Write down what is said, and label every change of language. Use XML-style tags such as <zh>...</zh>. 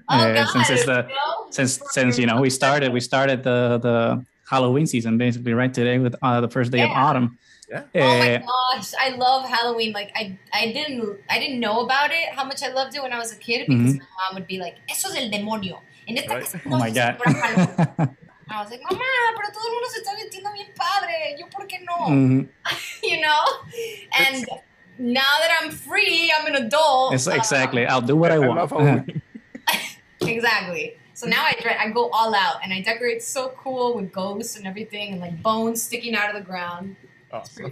<en>We started the Halloween season basically right today with the first day of autumn. Yeah. Oh my gosh, I love Halloween. Like I didn't know about it, how much I loved it when I was a kid, because my mom would be like,</en> <es>"Eso es el demonio." En esta casa,</es> <en>oh my god. I was like,</en> <es>mamá, pero todo el mundo se está vistiendo bien padre. ¿Yo por qué no? Mm-hmm.</es> <en>You know? And now that I'm free, I'm an adult. It's exactly. I'll do what I want. Exactly. So now I go all out and I decorate so cool with ghosts and everything and like bones sticking out of the ground. Awesome.</en>